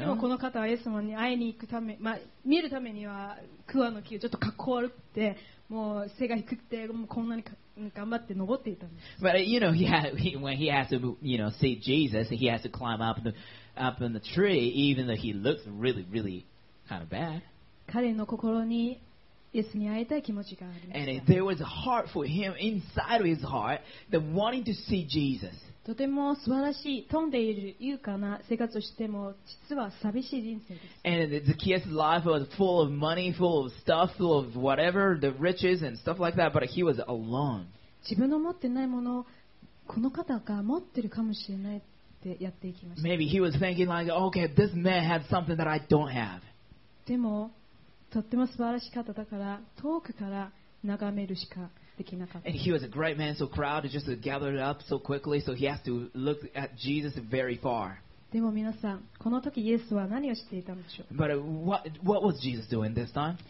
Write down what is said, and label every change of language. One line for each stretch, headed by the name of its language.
Japanese: でもこの方はイエス様に会いに行くため、まあ、見るためには桑の木をちょっと格好悪くてもう背が低くてもうこんなに頑張って登っていたんです
English: but you know when he has to you know see Jesus he has to climb up in the tree even though he looks really really kind of bad
Japanese: 彼の心にイエスに会いたい気持ちがありました。
English: And there was a heart for him inside of his heart, the wanting to see Jesus.
Japanese: とても素晴らしい、飛んでいる優雅な生活をしても、実は寂しい人生です。
English: And Zacchaeus' life was full of money, full of stuff, full of whatever, the riches and stuff like that, but he was alone.
Japanese: 自分の持ってないものをこの方が持ってるかもしれないってやっていきました。
English: Maybe he was thinking like, okay, this man has something that I don't have.
Japanese: でもとっても素晴らしい方だから遠くから眺めるしかできなかった。
English: And he was a great man, so crowd just gathered up so quickly, so he has to look at Jesus very far.
Japanese: でも皆さん、この時イエスは何をしていたんでしょう。
English: But what was Jesus doing this time?